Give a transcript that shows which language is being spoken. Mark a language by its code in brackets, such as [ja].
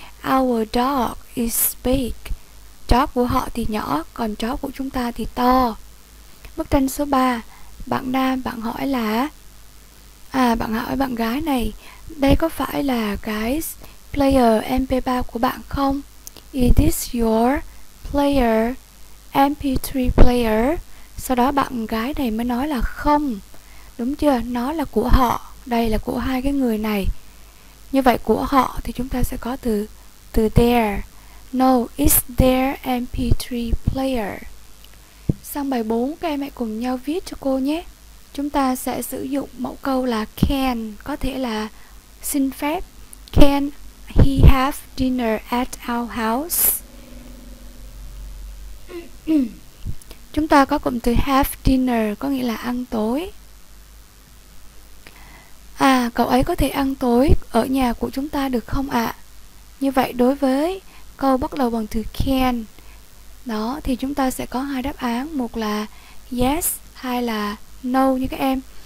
[en] Our dog is big. [vi] Chó của họ thì nhỏ, còn chó của chúng ta thì to. Bức tranh số 3, bạn nam bạn hỏi là, à, bạn hỏi bạn gái này, đây có phải là cái player MP3 của bạn không? [en] Is this your player MP3 player? [vi] Sau đó bạn gái này mới nói là không. Đúng chưa? Nó là của họ. Đây là của hai cái người này. Như vậy của họ thì chúng ta sẽ có từ từ their. [en] No, it's their MP3 player. [vi] Sang bài 4, các em hãy cùng nhau viết cho cô nhé. Chúng ta sẽ sử dụng mẫu câu là can, có thể là xin phép. [en] Can he have dinner at our house? [vi] Chúng ta có cụm từ have dinner, có nghĩa là ăn tối. À, cậu ấy có thể ăn tối ở nhà của chúng ta được không ạ? Như vậy đối với câu bắt đầu bằng từ can đó thì chúng ta sẽ có hai đáp án, một là yes, hai là no như các em.